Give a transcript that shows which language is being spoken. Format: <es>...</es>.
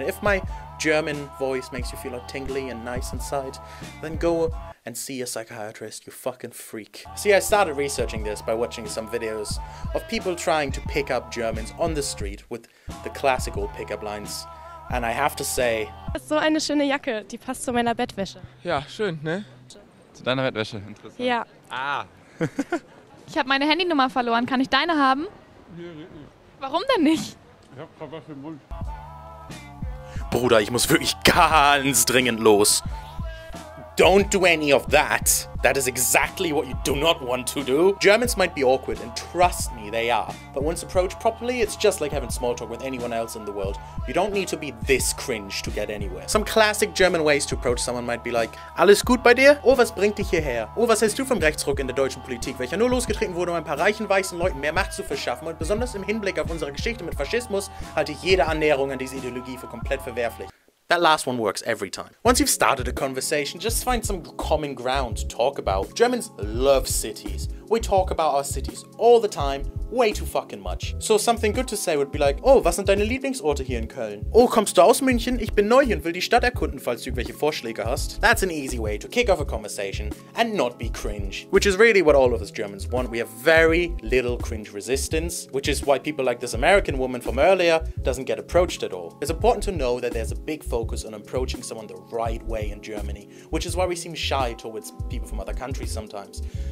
<en>If my German voice makes you feel all tingly and nice inside, then go and see a psychiatrist, you fucking freak. See, I started researching this by watching some videos of people trying to pick up Germans on the street with the classical pickup lines, and I have to say,</en> <de>so eine schöne Jacke, die passt zu meiner Bettwäsche. Ja, schön, ne? Zu deiner Bettwäsche, interessant. Ja. Ah. Ich habe meine Handynummer verloren, kann ich deine haben? Warum denn nicht? Ich hab gerade was im Mund. Bruder, ich muss wirklich ganz dringend los.</de> <en>Don't do any of that. That is exactly what you do not want to do. Germans might be awkward, and trust me, they are. But once approached properly, it's just like having small talk with anyone else in the world. You don't need to be this cringe to get anywhere. Some classic German ways to approach someone might be like,</en> <de>"Alles gut bei dir? Oh, was bringt dich hierher? Oh, was hältst du vom Rechtsruck in der deutschen Politik, welcher nur losgetreten wurde, um ein paar reichen weißen Leuten mehr Macht zu verschaffen? Und besonders im Hinblick auf unsere Geschichte mit Faschismus halte ich jede Annäherung an diese Ideologie für komplett verwerflich."</de> <en>That last one works every time. Once you've started a conversation, just find some common ground to talk about. Germans love cities. We talk about our cities all the time, way too fucking much. So something good to say would be like, oh,</en> <de>was sind deine Lieblingsorte hier in Köln? Oh, kommst du aus München? Ich bin neu hier und will die Stadt erkunden, falls du irgendwelche Vorschläge hast.</de> <en>That's an easy way to kick off a conversation and not be cringe. Which is really what all of us Germans want. We have very little cringe resistance, which is why people like this American woman from earlier doesn't get approached at all. It's important to know that there's a big focus on approaching someone the right way in Germany, which is why we seem shy towards people from other countries sometimes.</en>